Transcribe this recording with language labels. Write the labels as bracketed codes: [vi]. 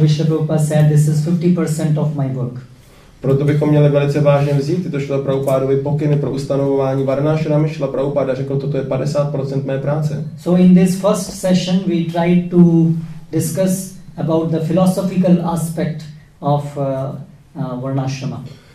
[en] Srila Prabhupada said this is 50% of my work. [cs] Proto bychom měli velice vážně vzít tyto Srila Prabhupádovy pokyny pro ustanovování Varnashramy. Srila Prabhupáda řekl, toto je 50% mé práce. [en] So in this first session we tried to discuss about the philosophical aspect of Varnashrama.